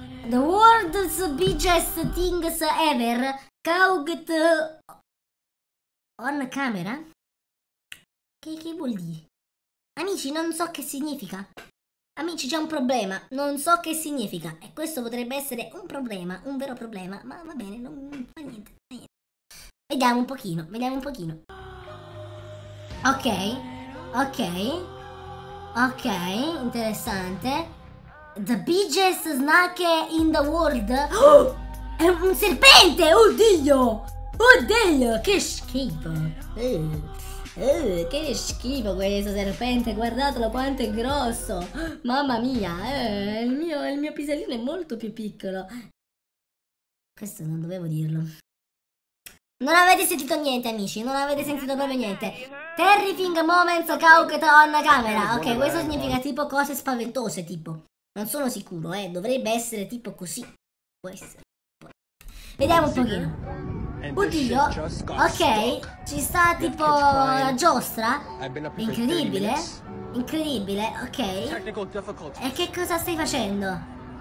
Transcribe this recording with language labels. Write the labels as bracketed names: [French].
[English] The world's biggest things ever caught on camera? [Italian] Che vuol dire? Amici, non so che significa. Amici, c'è un problema. Non so che significa. E questo potrebbe essere un problema, un vero problema. Ma va bene, non fa niente, niente. Vediamo un pochino. Ok. Ok. Ok, interessante. [English] The biggest snake in the world. [Italian] Oh, è un serpente! Oddio! Oddio! Che schifo! Che schifo questo serpente! Guardatelo quanto è grosso! Mamma mia! Il mio pisellino è molto più piccolo! Questo non dovevo dirlo. Non avete sentito niente, amici, non avete sentito proprio niente. [English] Terrifying moments caught on camera. [Italian] Ok, questo significa tipo cose spaventose, tipo. Non sono sicuro, dovrebbe essere tipo così. Può essere. Vediamo un pochino. Oddio. Ok, ci sta tipo la giostra. Incredibile. Incredibile, ok. E che cosa stai facendo?